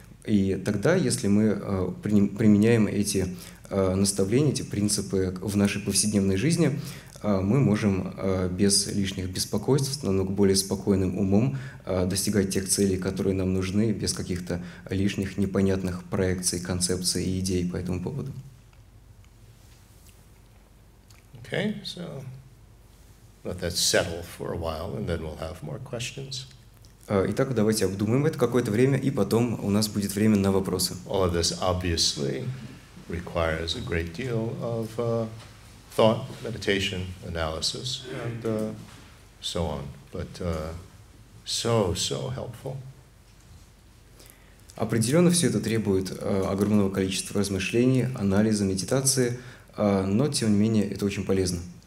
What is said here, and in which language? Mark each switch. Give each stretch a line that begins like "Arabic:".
Russian: И тогда, если мы применяем эти наставления, эти принципы в нашей повседневной жизни, мы можем без лишних беспокойств, с намного более спокойным умом достигать тех целей, которые нам нужны, без каких-то лишних непонятных проекций, концепций и идей по этому поводу.
English: Okay, so let that settle for a while, and then we'll have more questions.
Russian: Итак, давайте обдумаем это какое-то время, и потом у нас будет время на вопросы.
English: All of this obviously requires a great deal of thought, meditation, analysis, and so on. But so helpful.
Russian: Определенно все это требует огромного количества размышлений, анализа, медитации. Но, тем не менее, это очень полезно.